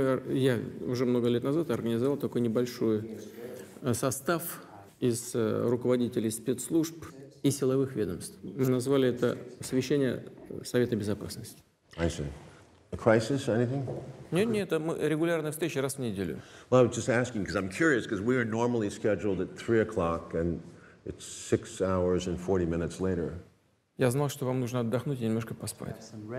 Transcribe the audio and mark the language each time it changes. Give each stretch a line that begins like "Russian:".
Russian: Я уже много лет назад организовал такой небольшой состав из руководителей спецслужб и силовых ведомств. Мы назвали это совещание Совета Безопасности.
English: I see. A crisis, anything?
Russian: Нет, нет, это регулярная встреча раз в неделю.
English: Well, I was just asking, because I'm curious, because we are normally scheduled at 3 o'clock, and it's 6 hours and 40 minutes later.
Russian: Я знал, что вам нужно отдохнуть и немножко поспать.